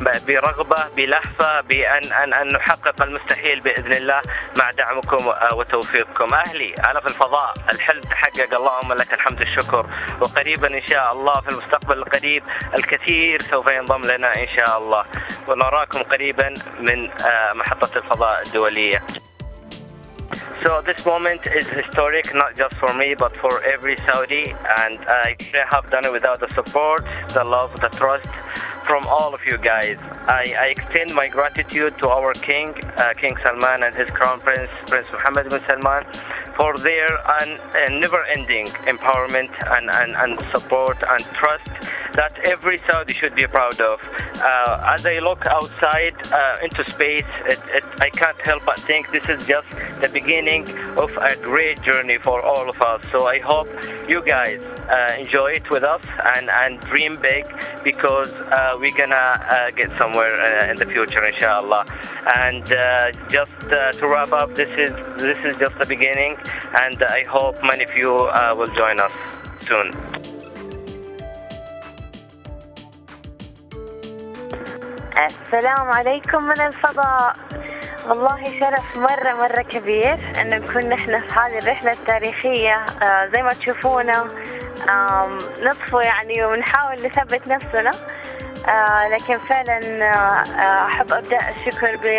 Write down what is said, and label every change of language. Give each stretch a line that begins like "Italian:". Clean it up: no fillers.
Arabic: برغبة بلهفة بأن أن أن نحقق المستحيل بإذن الله مع دعمكم وتوفيقكم أهلي أنا في الفضاء الحلم تحقق اللهم لك الحمد والشكر وقريبا إن شاء الله في المستقبل القريب الكثير سوف ينضم لنا إن شاء الله ونراكم قريبا من محطة الفضاء
English: So this moment is historic, not just for me, but for every Saudi, and I couldn't have done it without the support, the love, the trust from all of you guys. I extend my gratitude to our King, King Salman, and his Crown Prince, Prince Mohammed bin Salman, for their never-ending empowerment and support and trust that every Saudi should be proud of. As I look outside into space, I can't help but think this is just the beginning of a great journey for all of us. So I hope you guys enjoy it with us and dream big, because we're gonna get somewhere in the future, inshallah. And to wrap up, this is just the beginning, and I hope many of you will join us soon.
Arabic: السلام عليكم من الفضاء والله شرف مرة مرة كبير أن نكون نحن في هذه الرحلة التاريخية زي ما تشوفونا نطفو يعني ونحاول نثبت نفسنا لكن فعلا أحب أبدأ الشكر